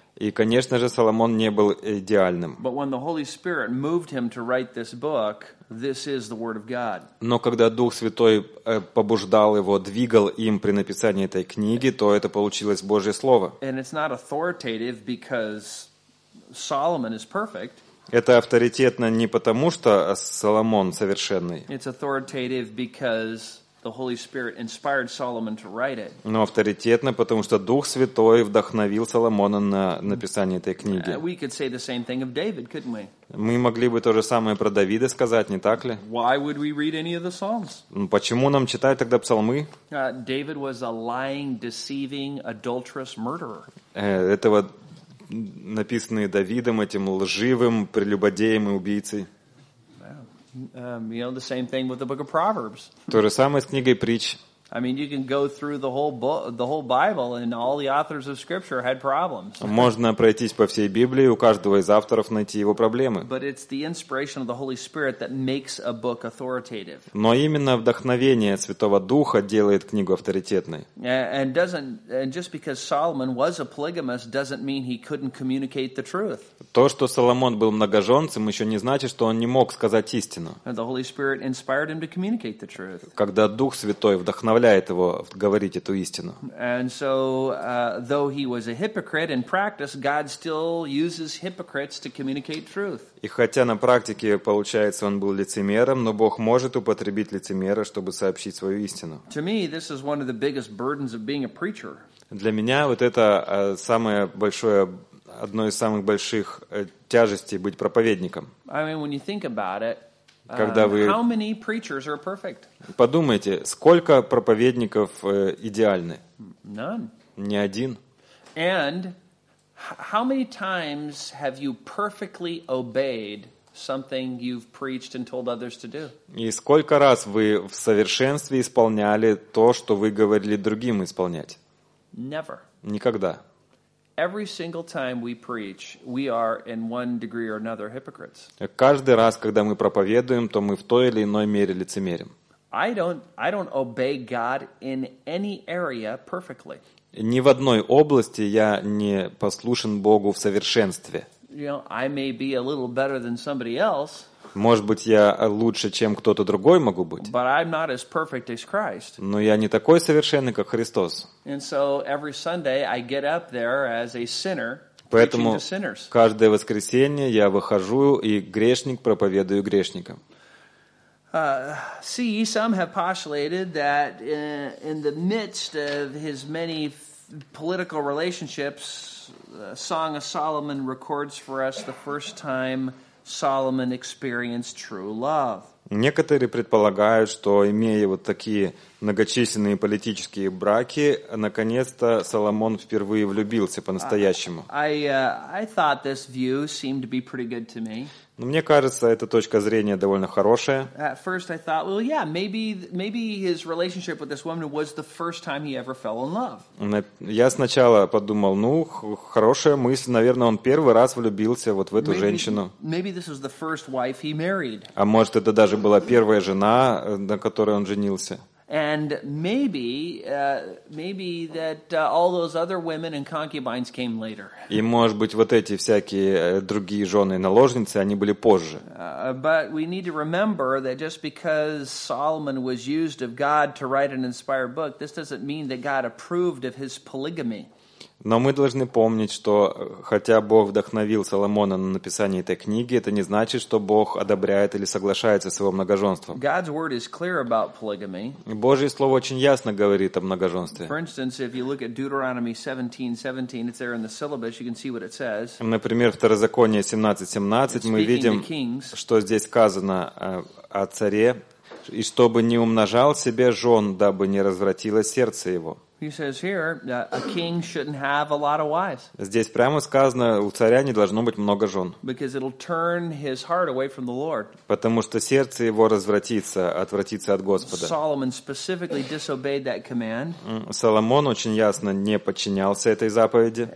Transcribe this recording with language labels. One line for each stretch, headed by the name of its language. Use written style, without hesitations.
Russian: И, конечно же, Соломон не был идеальным.
English: But when the Holy Spirit moved him to write this book, this is the word of God.
Russian: Но когда Дух Святой побуждал его, двигал им при написании этой книги, то это получилось Божье слово.
English: And it's not authoritative because Solomon is perfect.
Russian: Это авторитетно не потому, что Соломон совершенный.
English: It's authoritative because the Holy Spirit inspired Solomon to write it.
Russian: Но авторитетно, потому что Дух Святой вдохновил Соломона на написание этой книги.
English: We could say the same thing of David, couldn't we?
Russian: Мы могли бы то же самое про Давида сказать, не так ли?
English: Why would we read any of the Psalms?
Russian: Почему нам читать тогда псалмы?
English: David was a lying, deceiving, adulterous murderer.
Russian: Этого написанные Давидом, этим лживым, прелюбодеем и убийцей.
English: You know, the same thing with the book of Proverbs.
Russian: То же самое с книгой Притч.
English: I mean, you can go through the whole Bible and all the authors of Scripture had problems.
Russian: Можно пройтись по всей Библии и у каждого из авторов найти его проблемы.
English: But it's the inspiration of the Holy Spirit that makes a book authoritative.
Russian: Но именно вдохновение Святого Духа делает книгу авторитетной.
English: And just because Solomon was a polygamist doesn't mean he couldn't communicate the truth.
Russian: То, что Соломон был многоженцем, еще не значит, что он не мог сказать истину.
English: And the Holy Spirit inspired him to communicate the truth.
Russian: Когда Дух Святой вдохновляет его говорить эту истину.
English: And so, though he was a hypocrite in practice, God still uses hypocrites to communicate truth.
Russian: И хотя на практике получается он был лицемером, но Бог может употребить лицемера, чтобы сообщить свою истину.
English: To me, this is one of the biggest burdens of being a preacher.
Russian: Для меня вот это самое большое, одно из самых больших тяжестей быть проповедником.
English: I mean, when you think about it,
Russian: когда вы
English: how many preachers are perfect?
Russian: Подумайте, сколько проповедников идеальны?
English: None.
Russian: Ни один.
English: And how many times have you perfectly obeyed something you've preached and told others to do?
Russian: И сколько раз вы в совершенстве исполняли то, что вы говорили другим исполнять?
English: Never.
Russian: Никогда.
English: Every single time we preach, we are in one degree or another hypocrites.
Russian: Каждый раз, когда мы проповедуем, то мы в той или иной мере лицемерим.
English: I don't obey God in any area perfectly.
Russian: Ни в одной области я не послушен Богу в совершенстве.
English: You know, I may be a little better than somebody else.
Russian: Может быть, я лучше, чем кто-то другой могу быть.
English: But I'm not as perfect as Christ.
Russian: Но я не такой совершенный, как Христос.
English: And so every Sunday I get up there as a sinner.
Russian: Поэтому каждое воскресенье я выхожу и грешник проповедую грешникам.
English: See, some have postulated that in the midst of his many political relationships, the Song of Solomon records for us the first time Solomon experienced true love.
Russian: Некоторые предполагают, что имея вот такие многочисленные политические браки, наконец-то Соломон впервые влюбился по-настоящему.
English: I thought this view seemed to be pretty good to me.
Russian: Но мне кажется, эта точка зрения довольно хорошая.
English: At first I thought, well, yeah, maybe his relationship with this woman was the first time he ever fell in love.
Russian: Я сначала подумал, ну, хорошая мысль, наверное, он первый раз влюбился вот в эту женщину.
English: Maybe this was the first wife he married.
Russian: А может, это даже была первая жена, на которой он женился.
English: And maybe that all those other women and concubines came later.
Russian: И может быть вот эти всякие другие жены и наложницы они были позже.
English: But we need to remember that just because Solomon was used of God to write an inspired book, this doesn't mean that God approved of his polygamy.
Russian: Но мы должны помнить, что хотя Бог вдохновил Соломона на написание этой книги, это не значит, что Бог одобряет или соглашается с его многоженством.
English: God's word is clear about polygamy.
Russian: Божье слово очень ясно говорит о многоженстве.
English: For instance, if you look at Deuteronomy 17:17, it's there in the syllabus, you can see what it says.
Russian: Например, в Второзаконии 17:17 мы видим, что здесь сказано о царе, и чтобы не умножал себе жен, дабы не развратило сердце его.
English: He says here that a king shouldn't have a lot of wives.
Russian: Здесь прямо сказано, у царя не должно быть много жен.
English: Because it'll turn his heart away from the Lord.
Russian: Потому что сердце его развратится, отвратится от Господа.
English: Solomon specifically disobeyed that command.
Russian: Соломон очень ясно не подчинялся этой заповеди.